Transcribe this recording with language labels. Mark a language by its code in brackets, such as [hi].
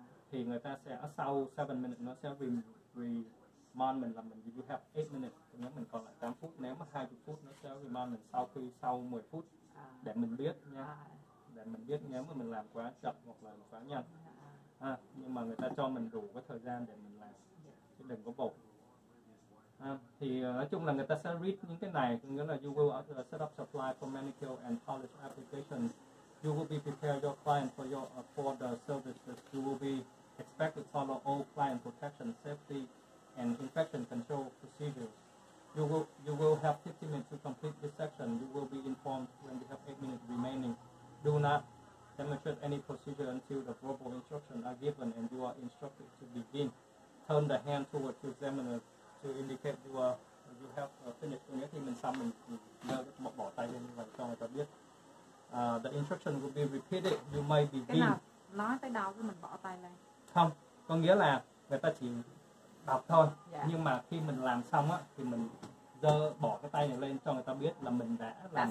[vi] Thì người ta sẽ sau 7 minutes nó sẽ remind mình là mình [en] you have 8 minutes, [vi] có nghĩa mình còn lại 8 phút. Nếu mà 20 phút nó sẽ remind mình sau 10 phút để mình biết nha. Để mình biết nếu mà mình làm quá chậm hoặc là quá nhanh. Nhưng mà người ta cho mình đủ cái thời gian để mình làm. Chứ đừng có bột. Thì nói chung là người ta sẽ read những cái này, nghĩa là [en] you will set up supply for manicure and polish application, you will be prepared your client for your for the services, you will be expected to follow all client protection, safety and infection control procedures, you will have 15 minutes to complete this section, you will be informed when you have 8 minutes remaining, do not demonstrate any procedure until the verbal instructions are given and you are instructed to begin, turn the hand toward the examiner to indicate you have finished. [vi] Nghĩa thì mình xong mình bỏ tay lên và cho người ta biết. [en] The instruction will be repeated. You may begin. [vi] Cái nào nói tới đâu thì mình bỏ tay lên. Không, có nghĩa là người ta chỉ đọc thôi. Yeah. Nhưng mà khi mình làm xong á thì mình giơ bỏ cái tay này lên cho người ta biết là mình đã làm